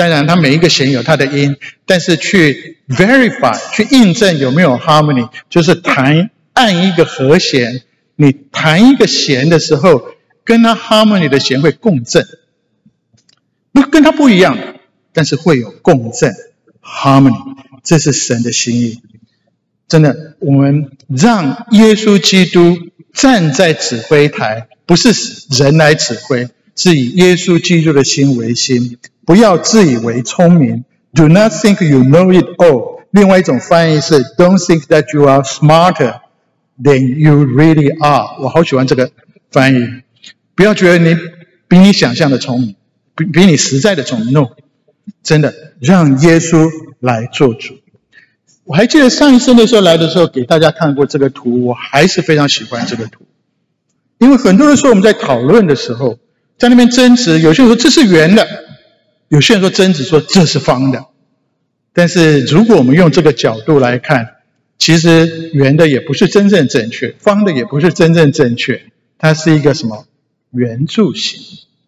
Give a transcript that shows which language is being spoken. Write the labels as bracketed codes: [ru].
[zh] 当然它每一个弦有它的音，但是去 verify 去印证有没有 harmony， 就是弹按一个和弦，你弹一个弦的时候跟它 harmony 的弦会共振，不跟它不一样，但是会有共振 harmony， 这是神的心意。真的，我们让耶稣基督站在指挥台，不是人来指挥，是以耶稣基督的心为心，不要自以为聪明。 [en] Do not think you know it all， [zh] 另外一种翻译是 [en] Don't think that you are smarter than you really are。 [zh] 我好喜欢这个翻译，不要觉得你比你想象的聪明， 比你实在的聪明。 No， 真的让耶稣来做主。我还记得上一次的时候来的时候给大家看过这个图，我还是非常喜欢这个图，因为很多人说我们在讨论的时候在那边争执，有些人说这是圆的，有些人说争执说这是方的，但是如果我们用这个角度来看，其实圆的也不是真正正确，方的也不是真正正确，它是一个什么圆柱形。